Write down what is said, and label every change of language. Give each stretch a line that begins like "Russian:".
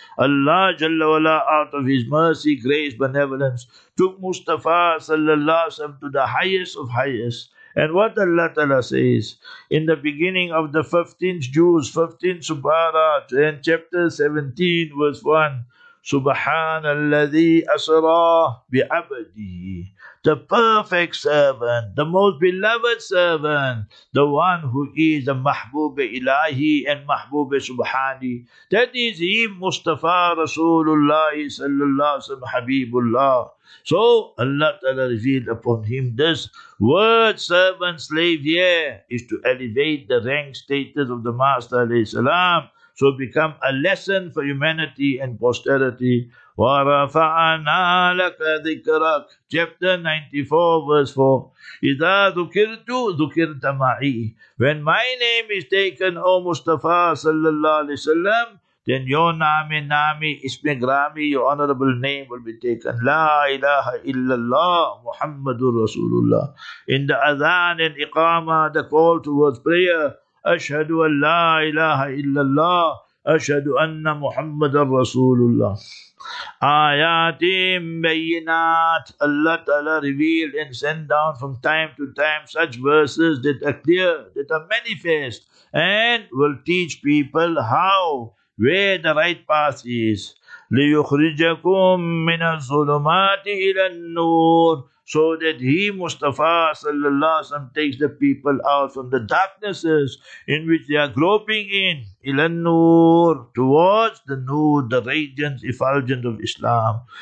English: Allah Jalla wala, out of his mercy, grace, benevolence, took Mustafa sallallahu alayhi wa sallam to the highest of highest. And what Allah Ta'ala says in the beginning of the 15th Juz, 15th Subhara, and chapter 17, verse 1.
Arabic: سبحان الذي أسرى بعبده,
English: the perfect servant, the most beloved servant, the one who is a
Arabic: محبوب إلهي
English: and
Arabic: محبوب سبحاني,
English: that is him,
Arabic: مصطفى رسول الله صلى الله عليه وسلم, حبيب الله.
English: So Allah Ta'ala revealed upon him this word, servant, slave, here is to elevate the rank status of the master عليه السلام. So become a lesson for humanity and posterity.
Arabic: وَرَفَعَنَا لَكَ ذِكْرَكَ,
English: chapter 94, verse 4.
Arabic: إِذَا ذُكِرْتُ ذُكِرْتَ مَعِي,
English: when my name is taken, O Mustafa sallallahu alayhi wa sallam, then your name, nami, ismi grami, your honorable name will be taken. La ilaha illallah Muhammadur Rasulullah. In the adhan and iqama, the call towards prayer,
Arabic: أشهد أن لا إله إلا الله أشهد أن محمد رسول الله. آيات بينات,
English: Allah Ta'ala revealed and sent down from time to time such verses that are clear, that are manifest, and will teach people how, where the right path is.
Arabic: لِيُخْرِجَكُمْ مِنَ الظُّلُمَاتِ إِلَى النُّورِ,
English: so that he, Mustafa sallallahu alayhi wa sallam, takes the people out from the darknesses in which they are groping in, ilan nur, towards the nur, the radiant effulgent of Islam.